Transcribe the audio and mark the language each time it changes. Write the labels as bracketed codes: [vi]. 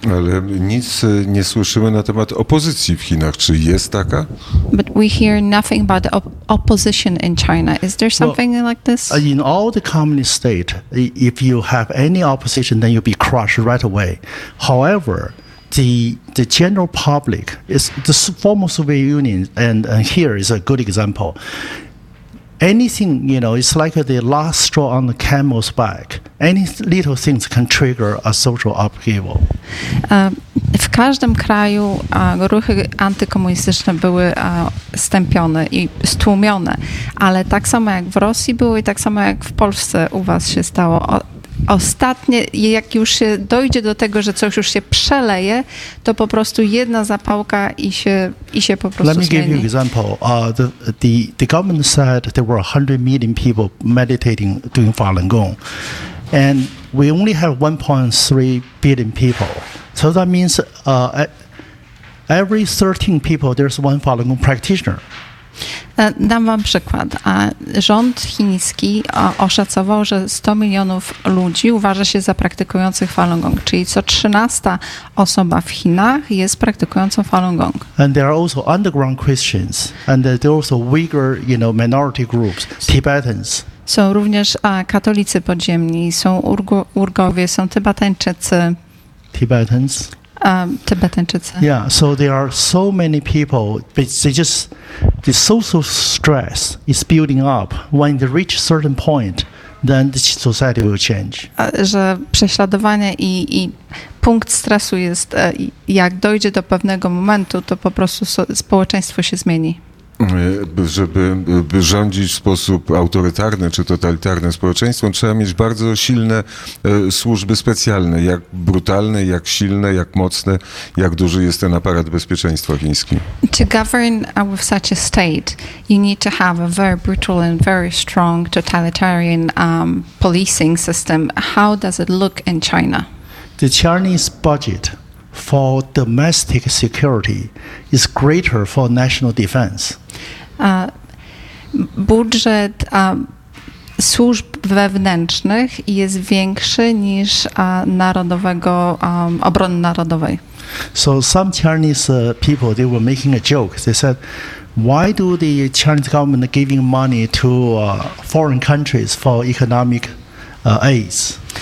[pl] Ale nic nie słyszymy na temat opozycji w Chinach. Czy jest taka? [en] But we hear nothing about opposition in China. Is there something like this? In all the communist state, if you have any opposition, then you'll be crushed right away. However, the general public is the former Soviet Union, and here is a good example. Anything, you know, it's like the last straw on the camel's back. Any little things can trigger a social upheaval. [pl] W każdym kraju ruchy antykomunistyczne były stępione i stłumione, ale tak samo jak w Rosji było i tak samo jak w Polsce u was się stało. Ostatnie, jak już się dojdzie do tego, że coś już się przeleje, to po prostu jedna zapałka i się po prostu zmieni. [en] Let me give you an example. The government said there were 100 million people meditating doing Falun Gong. And we only have 1.3 billion people. So that means every 13 people, there's one Falun Gong practitioner. [pl] Dam wam przykład. Rząd chiński oszacował, że 100 milionów ludzi uważa się za praktykujących Falun Gong, czyli co 13 osoba w Chinach jest praktykującą Falun Gong. [en] And there are also underground Christians, and there are also Uyghur, you know, minority groups, Tibetans. [pl] Są również katolicy podziemni, są Urgowie, są Tybetańczycy. [en] Tibetans. [pl] Tybetańczycy. [en] Yeah, so there are so many people, but they just, the social stress is building up. When they reach a certain point, then the society will change. [pl] Że prześladowanie i punkt stresu jest, jak dojdzie do pewnego momentu, to po prostu społeczeństwo się zmieni. żeby rządzić w sposób autorytarny czy totalitarny społeczeństwem, trzeba mieć bardzo silne służby specjalne, jak brutalne, jak silne, jak mocne, jak duży jest ten aparat bezpieczeństwa chiński. [en] To govern with such a state, you need to have a very brutal and very strong totalitarian policing system. How does it look in China? The Chinese budget for domestic security is greater for national defense. [pl] Budżet służb wewnętrznych jest większy niż narodowego obrony narodowej. [en] So some Chinese people, they were making a joke. They said, why do the Chinese government giving money to foreign countries for economic aids?